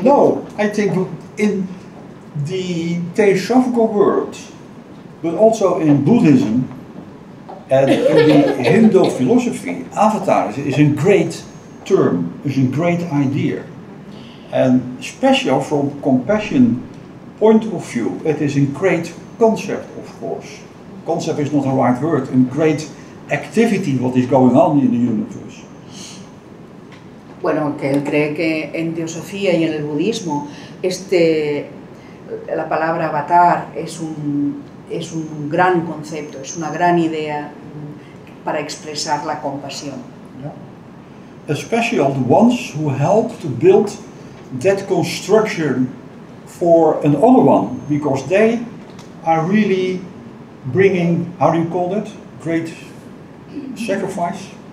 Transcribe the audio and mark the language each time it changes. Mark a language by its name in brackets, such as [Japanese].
[English] no, I think in the theosophical world, but also in Buddhism and in the Hindu philosophy, avataras is a great term, is a great idea. And especially from compassion point of view, it is a great concept, of course. Concept is not the right word, a great activity, what is going on in the universe. [Spanish] Bueno, que él cree que en teosofía y en el budismo este, la palabra avatar es un gran concepto, es una gran idea para expresar la compasión. [English] Yeah. Especially the ones who help to build that construction for another one, because they are really bringing, how do you call that, great sacrifice?